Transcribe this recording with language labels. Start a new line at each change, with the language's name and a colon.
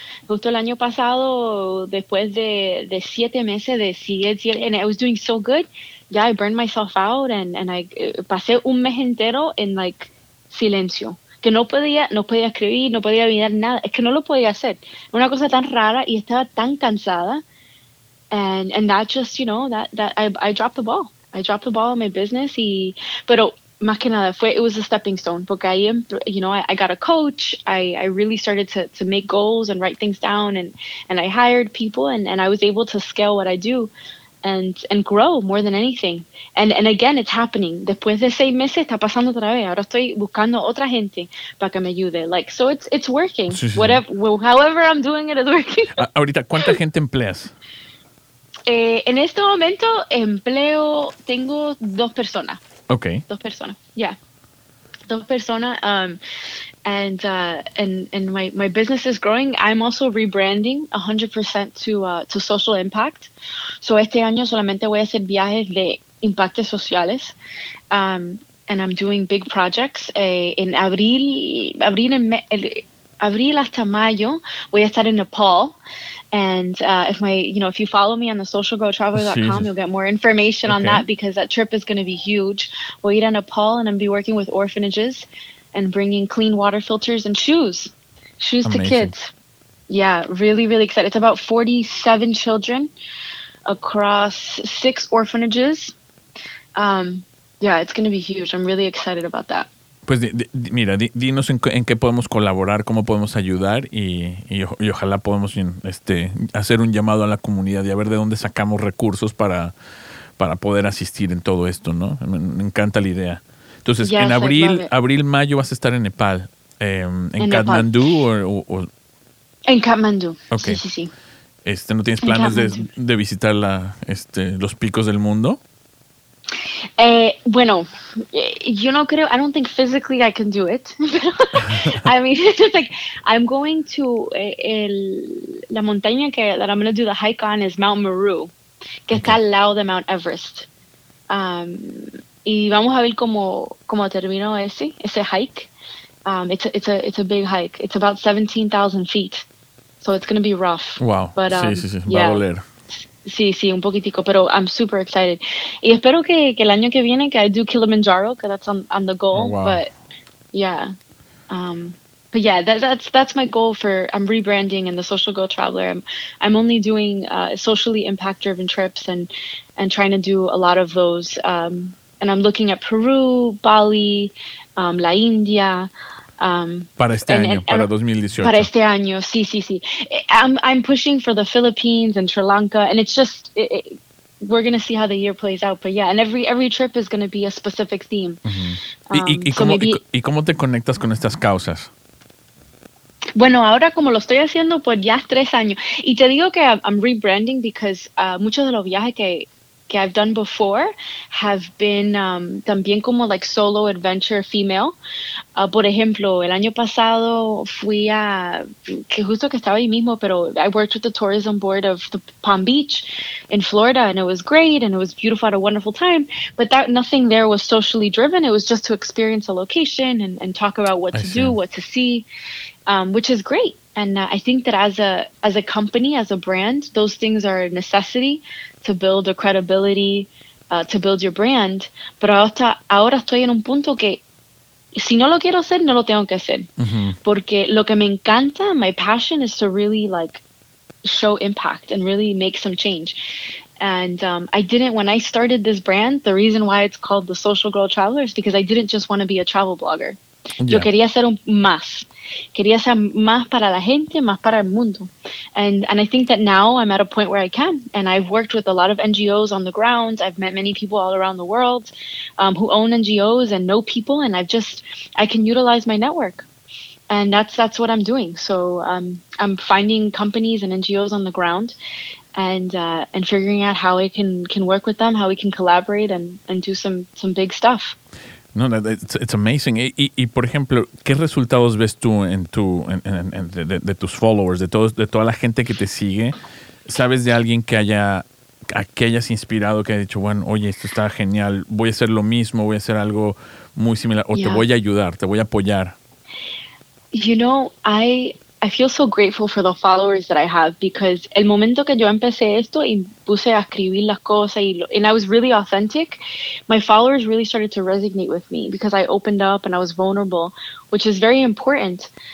Spanish: Justo el año pasado, después de 7 meses de seguir,
English: and I was doing so good, I burned myself out and I
Spanish: pasé un mes entero en, like, silencio. Que no podía escribir, no podía mirar nada. Es que no lo podía hacer. Una cosa tan rara y estaba tan cansada.
English: And that just, you know, I dropped the ball. I dropped the ball in my business.
Spanish: Pero más que nada,
English: it was a stepping stone.
Spanish: Porque ahí,
English: you know, I got a coach. I really started to make goals and write things down. And I hired people and I was able to scale what I do and grow more than anything. And again, it's happening.
Spanish: Después de 6 meses, está pasando otra vez. Ahora estoy buscando otra gente para que me ayude.
English: Like, so it's working.
Spanish: Sí, sí.
English: However I'm doing it, it's working.
Spanish: Ahorita, ¿cuánta gente empleas? En este momento, tengo 2 personas.
English: Okay.
Spanish: 2 personas,
English: yeah. 2 personas. And my business is growing. I'm also rebranding 100% to social impact.
Spanish: So este año solamente voy a hacer viajes de impactos sociales.
English: And I'm doing big projects.
Spanish: En abril hasta mayo voy a estar en Nepal.
English: And if you follow me on the socialgrowtraveler.com, you'll get more information on that, because that trip is going to be huge.
Spanish: Voy a ir a Nepal
English: and I'm going to be working with orphanages and bringing clean water filters and shoes amazing. To kids. Yeah, really, really excited. It's about 47 children across 6 orphanages. It's going to be huge. I'm really excited about that.
Spanish: Pues dinos en qué podemos colaborar, cómo podemos ayudar y ojalá podemos hacer un llamado a la comunidad y a ver de dónde sacamos recursos para poder asistir en todo esto, ¿no? Me encanta la idea. Entonces,
English: yes,
Spanish: en abril, mayo vas a estar en Nepal, en Kathmandú o en Kathmandú.
English: Okay.
Spanish: Sí, sí, sí. ¿No tienes planes de visitar los picos del mundo? Bueno, yo no creo,
English: I don't think physically I can do it. I mean, it's just like I'm going to
Spanish: la montaña que
English: that I'm going to do the hike on is Mount Meru,
Spanish: que está al lado de
English: Mount Everest.
Spanish: Y vamos a ver cómo terminó ese hike.
English: It's a big hike. It's about 17,000 feet. So it's going to be rough. Wow. But,
Spanish: sí. Va a doler. Sí, sí, un poquitico. Pero
English: I'm super excited.
Spanish: Y espero que el año que viene, que
English: I do Kilimanjaro, because that's on the goal. Oh, wow. That's my goal I'm rebranding and the Social Girl Traveler. I'm only doing socially impact-driven trips and trying to do a lot of those. And I'm looking at Peru, Bali,
Spanish: la India. Para este año, para 2018. Para este año, sí, sí, sí.
English: I'm pushing for the Philippines and Sri Lanka. And it's just, we're going to see how the year plays out. But yeah, and every trip is going to be a specific theme.
Spanish: ¿Y cómo te conectas con estas causas? Bueno, ahora como lo estoy haciendo, pues ya 3 años. Y te digo que
English: I'm rebranding because
Spanish: muchos de los viajes que
English: I've done before have been
Spanish: también como
English: like solo adventure female.
Spanish: Por ejemplo, el año pasado fui a, que justo que estaba ahí mismo, pero
English: I worked with the tourism board of the Palm Beach in Florida, and it was great, and it was beautiful, had a wonderful time, but that nothing there was socially driven. It was just to experience a location and talk about what to do, what to see, which is great. And I think that as a company, as a brand, those things are a necessity to build a credibility, to build your brand.
Spanish: Pero ahora estoy en un punto que si no lo quiero hacer, no lo tengo que hacer. Mm-hmm. Porque lo que me encanta,
English: my passion is to really like show impact and really make some change. And I didn't, when I started this brand, the reason why it's called the Social Girl Traveler is because I didn't just want to be a travel blogger.
Spanish: Yo quería hacer más. Quería ser más para la gente, más para el mundo.
English: And I think that now I'm at a point where I can. And I've worked with a lot of NGOs on the ground. I've met many people all around the world who own NGOs and know people. And I can utilize my network. And that's what I'm doing. So I'm finding companies and NGOs on the ground and figuring out how I can work with them, how we can collaborate and do some big stuff. No, it's amazing.
Spanish: Y por ejemplo, ¿qué resultados ves tú de tus followers, de toda la gente que te sigue? ¿Sabes de alguien que hayas inspirado, que haya dicho, bueno, oye, esto está genial, voy a hacer lo mismo, voy a hacer algo muy similar, o yeah. te voy a ayudar, te voy a apoyar?
English: You know, I feel so grateful for the followers that I have, because
Spanish: el momento que yo empecé esto y puse a escribir las cosas
English: and I was really authentic, my followers really started to resonate with me because I opened up and I was vulnerable, which is very important.